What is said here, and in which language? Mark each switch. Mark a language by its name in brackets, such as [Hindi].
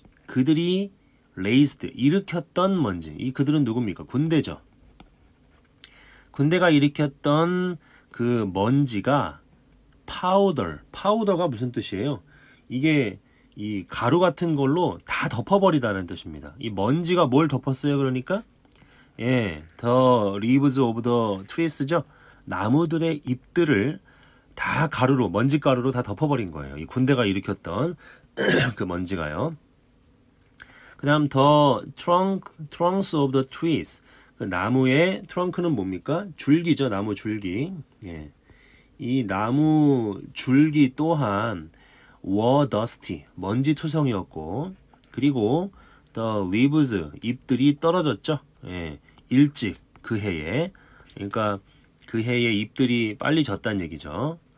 [Korean] 그들이 raised, 일으켰던 먼지. 이 그들은 누굽니까? 군대죠. 군대가 일으켰던 그 먼지가 powder. powder가 무슨 뜻이에요? 이게 이 가루 같은 걸로 다 덮어버리다는 뜻입니다. 이 먼지가 뭘 덮었어요, 그러니까? [English] 예, the leaves of the trees죠? [Korean] 나무들의 잎들을 다 가루로, 먼지 가루로 다 덮어버린 거예요. 이 군대가 일으켰던 그 먼지가요. 그 다음, [English] the trunks of the trees. [Korean] 그 나무의 트렁크는 뭡니까? 줄기죠, 나무 줄기. 예. 이 나무 줄기 또한 [English] were dusty, [Korean] 먼지 투성이었고, 그리고 the leaves, 잎들이 떨어졌죠. 예, 일찍 그 해에, 그러니까 그 해에 잎들이 빨리 졌단 얘기죠.